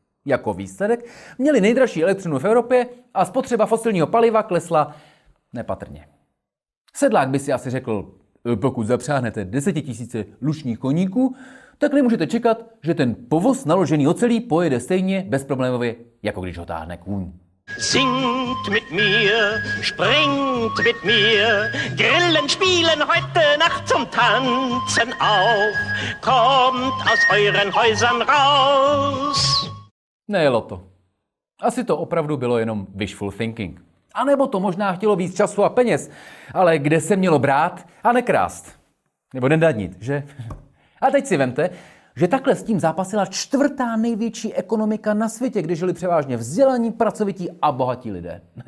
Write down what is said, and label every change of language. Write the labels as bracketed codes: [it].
[cs] Jako výsledek měli nejdražší elektřinu v Evropě a spotřeba fosilního paliva klesla nepatrně. Sedlák by si asi řekl, pokud zapřáhnete 10 000 lučních koníků, tak nemůžete čekat, že ten povoz naložený ocelí pojede stejně bezproblémově, jako když ho táhne kůň. [de] Singt mit mir, springt mit mir, grillen, spielen heute Nacht zum Tanzen auf, kommt aus euren Häusern raus. [cs] Nejelo to. Asi to opravdu bylo jenom wishful thinking. A nebo to možná chtělo víc času a peněz, ale kde se mělo brát a nekrást? Nebo nedanit, že? A teď si vemte, že takhle s tím zápasila čtvrtá největší ekonomika na světě, kde žili převážně vzdělaní, pracovití a bohatí lidé.